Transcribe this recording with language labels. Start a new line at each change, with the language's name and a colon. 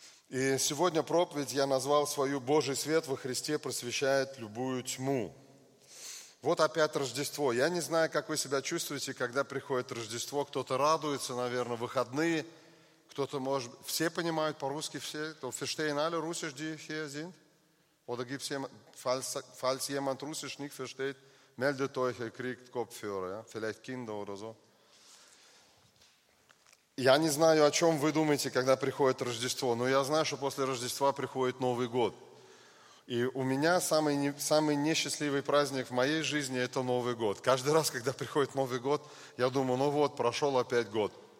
Russian: И сегодня проповедь я назвал свою «Божий свет во Христе просвещает любую тьму». Вот опять Рождество. Я не знаю, как вы себя чувствуете, когда приходит Рождество. Кто-то радуется, наверное, выходные. Кто-то может... Все понимают по-русски, все.
German: «Ферштейн алле русиш ди хезин». Oder gibt's falls jemand russisch nicht versteht, meldet euch, ihr kriegt Kopfhörer. Ja? Vielleicht Kinder oder so.
Russian: Я не знаю, о чем вы думаете, когда приходит Рождество, но я знаю, что после Рождества приходит Новый год. И у меня самый несчастливый праздник в моей жизни – это Новый год. Каждый раз, когда приходит Новый год, я думаю, ну вот, прошел опять год.